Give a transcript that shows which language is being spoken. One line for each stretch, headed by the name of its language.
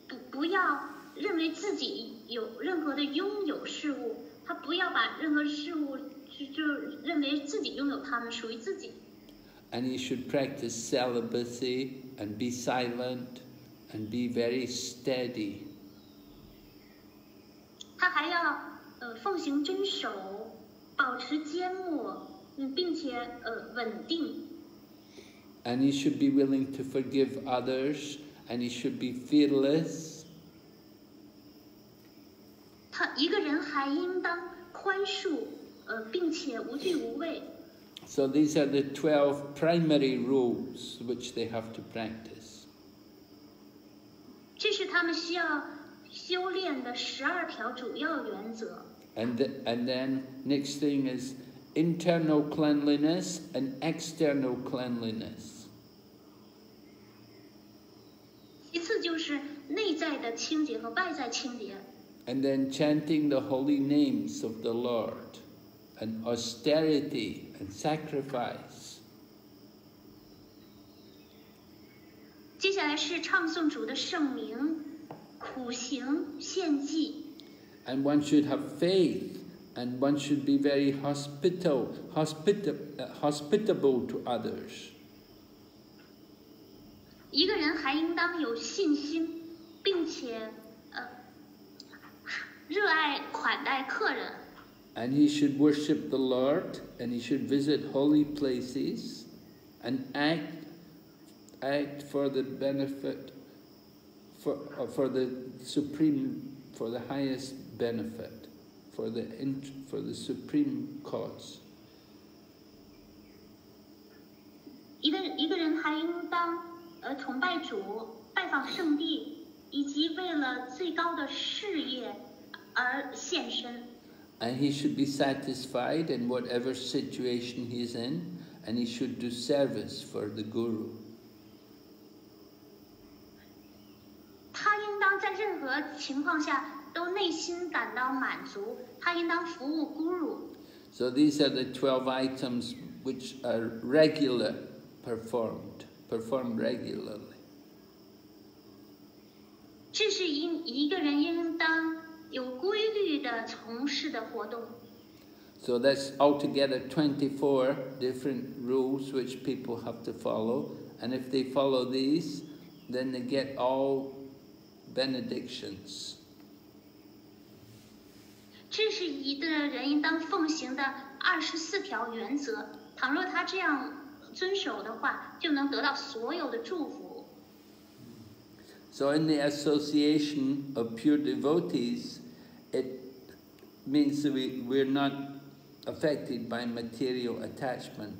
Chinese: 不要认为自己有任何的拥有事物，他不要把任何事物就认为自己拥有他们属于自己。
English: And you should practice celibacy and be silent and be very steady.
Chinese: 他还要奉行真守，保持缄默，并且稳定。
English: And you should be willing to forgive others, and you should be fearless.
Chinese: 他一个人还应当宽恕，并且无惧无畏。
English: So these are the 12 primary rules which they have to practice.
Chinese: 这是他们需要修炼的12条主要原则。
English: And then next thing is internal cleanliness and external cleanliness.
Chinese: 其次就是内在的清洁和外在清洁。
English: And then chanting the holy names of the Lord. And austerity and sacrifice.
Chinese: 接下来是唱诵主的圣名，苦行献祭。
English: And one should have faith, and one should be very hospitable to others.
Chinese: 一个人还应当有信心，并且热爱款待客人。
English: And he should worship the Lord, and he should visit holy places, and act for the benefit, for the supreme cause.
Chinese: 一个人还应当崇拜主，拜访圣地，以及为了最高的事业而献身。
English: And he should be satisfied in whatever situation he is in, and he should do service for the Guru.
Chinese: 他应当在任何情况下都内心感到满足，他应当服务 Guru.
English: So these are the 12 items which are performed regularly.
Chinese: 这是一个人应当有规律的从事的活动。
English: So that's altogether 24 different rules which people have to follow, and if they follow these, then they get all benedictions.
Chinese: 这是一个人应当奉行的24条原则，倘若他这样遵守的话，就能得到所有的祝福。
English: So in the association of pure devotees,It means that we're not affected by material attachment.